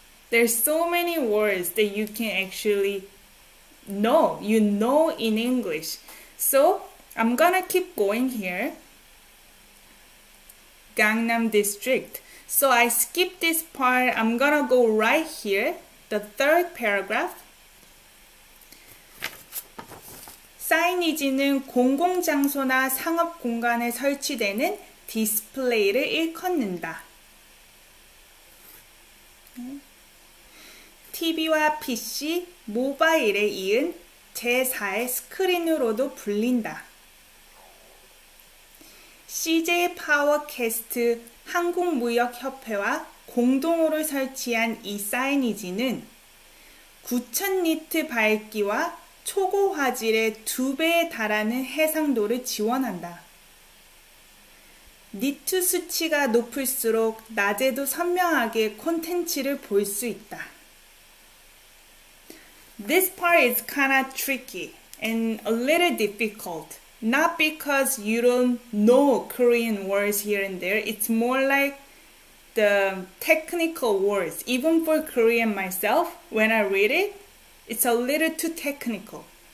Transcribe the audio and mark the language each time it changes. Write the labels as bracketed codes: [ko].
[en] There's so many words that you can actually know. You know in English. So, I'm gonna keep going here. Gangnam District. So I skip this part. I'm gonna go right here, the third paragraph. [ko] 사이니지는 공공장소나 상업 공간에 설치되는 디스플레이를 일컫는다. TV와 PC, 모바일에 이은 제4의 스크린으로도 불린다. CJ 파워캐스트 한국무역협회와 공동으로 설치한 이 사이니지는 9000니트 밝기와 초고 화질의 두 배에 달하는 해상도를 지원한다. 니트 수치가 높을수록 낮에도 선명하게 콘텐츠를 볼 수 있다. [en] This part is kind of tricky and a little difficult. Not because you don't know Korean words here and there. It's more like the technical words. Even for Korean myself, when I read it, it's a little too technical.